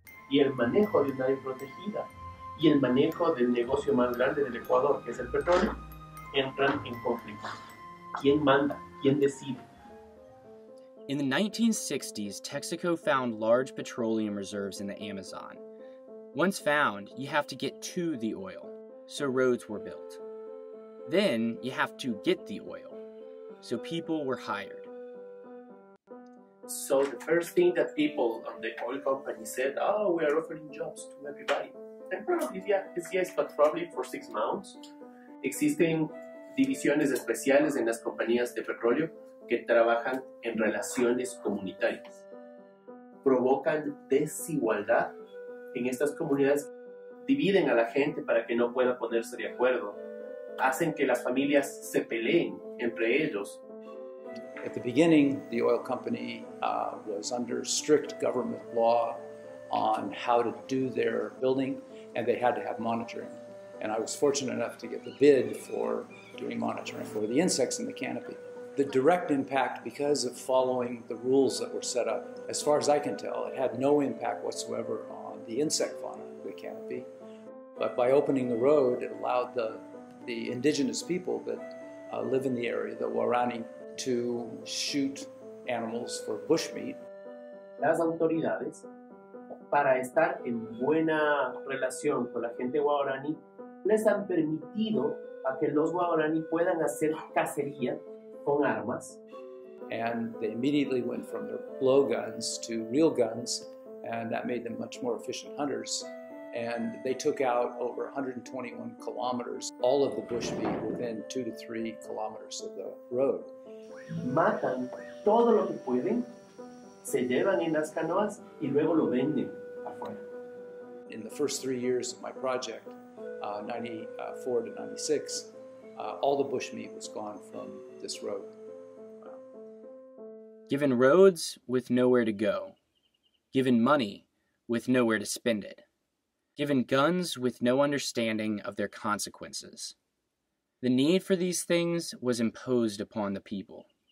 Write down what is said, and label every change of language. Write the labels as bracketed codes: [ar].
[es] Y el manejo de una área protegida y el manejo del negocio más grande del Ecuador, que es el petróleo, entran en conflicto. ¿Quién manda? ¿Quién decide? [en] In the 1960s, Texaco found large petroleum reserves in the Amazon. Once found, you have to get to the oil, so roads were built. Then, you have to get the oil, so people were hired. So the first thing that people on the oil company said, oh, we are offering jobs to everybody. And probably, yeah, it's yes, but probably for 6 months. [es] Existen divisiones especiales en las compañías de petróleo que trabajan en relaciones comunitarias. Provocan desigualdad en estas comunidades, dividen a la gente para que no pueda ponerse de acuerdo, hacen que las familias se peleen entre ellos. [en] At the beginning, the oil company was under strict government law on how to do their building, and they had to have monitoring. And I was fortunate enough to get the bid for doing monitoring for the insects in the canopy. The direct impact, because of following the rules that were set up, as far as I can tell, it had no impact whatsoever on the insect fauna, the canopy. But by opening the road, it allowed the indigenous people that live in the area, the Warani, to shoot animals for bushmeat. [es] Las autoridades, para estar en buena relación con la gente Warani, les han permitido a que los Warani puedan hacer cacería. [en] And they immediately went from their blowguns to real guns, and that made them much more efficient hunters. And they took out over 121 kilometers, all of the bushmeat within 2 to 3 kilometers of the road. [es] Matan todo lo que pueden, se llevan en las canoas y luego lo venden afuera. [en] In the first 3 years of my project, 94 to 96, all the bushmeat was gone from this road. Given roads with nowhere to go, given money with nowhere to spend it, given guns with no understanding of their consequences, the need for these things was imposed upon the people.